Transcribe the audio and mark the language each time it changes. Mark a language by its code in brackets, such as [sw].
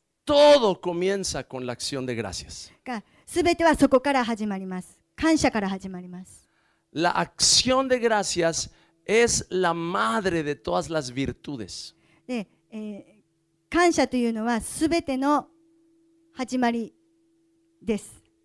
[es] Todo comienza con la acción de gracias. [ja] すべてはそこから始まります。感謝から始まります。 [es] La acción de gracias es la madre de todas las virtudes. [ja] で、感謝というのはすべての始まりです。